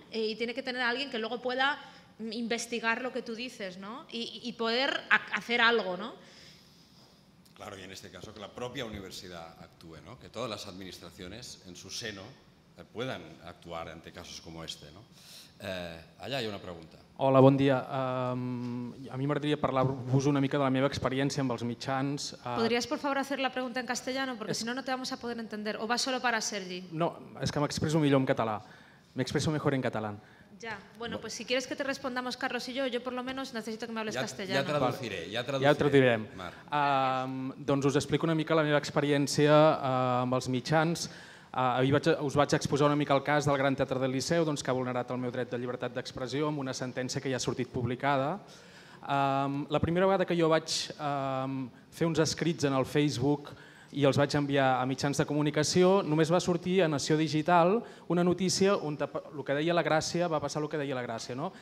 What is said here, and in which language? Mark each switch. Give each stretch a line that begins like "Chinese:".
Spanish: Y tiene que tener a alguien que luego pueda investigar lo que tú dices, ¿no? Y poder hacer algo, ¿no? Claro, y en este caso que la propia universidad actúe, ¿no? Que todas las administraciones en su seno puedan actuar ante casos como este, ¿no?
Catalan: Allà hi ha una pregunta. Hola, bon dia. A mi m'agradaria parlar-vos una mica de la meva experiència amb els mitjans.
Spanish: ¿Podrías, por favor, hacer la pregunta en castellano? Porque si no, no te vamos a poder entender. ¿O va solo para Sergi?
Catalan: No, és que m'expreso millor en català.
Spanish: M'expreso mejor en català. Ya, bueno, pues si quieres que te respondamos Carlos y yo por lo menos necesito que me hables castellano. Ya traduciré,
Catalan: ya traduirem. Doncs us explico una mica la meva experiència amb els mitjans. Us vaig exposar una mica el cas del Gran Teatre del Liceu, doncs, que ha vulnerat el meu dret de llibertat d'expressió amb una sentència que ja ha sortit publicada. La primera vegada que jo vaig fer uns escrits en el Facebook i els vaig enviar a mitjans de comunicació, només va sortir a Nació Digital una notícia on el que deia la Gràcia va passar el que deia la Gràcia. No?